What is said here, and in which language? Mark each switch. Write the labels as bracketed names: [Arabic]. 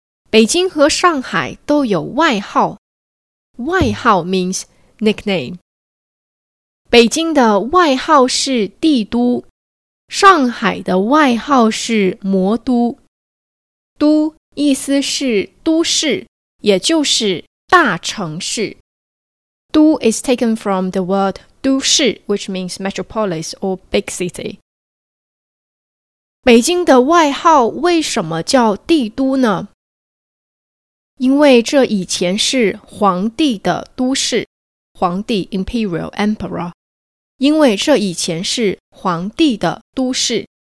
[Chinese] 北京和上海都有外号，外号 [English] means nickname。 [Chinese] 北京的外号是帝都，上海的外号是魔都。都意思是都市，也就是大城市。 [English] 都 is taken from the word 都市 which means metropolis or big city。 [Chinese] 北京的外号为什么叫帝都呢？因为这以前是皇帝的都市，皇帝 [English] imperial emperor， [Chinese] 因为这以前是皇帝的都市。